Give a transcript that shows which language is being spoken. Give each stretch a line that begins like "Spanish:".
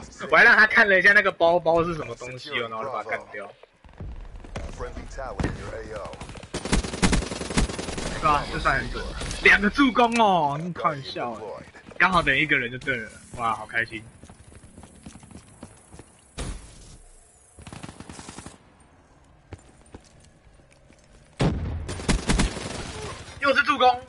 Chinese: 我还让他看了一下那个包包是什么东西哦，然后就把他干掉。
English: Friendly tower in your AO.
Chinese: 啊，这算很准，两个助攻哦，你开玩笑，刚好等一个人就对了，哇，好开心。又是助攻。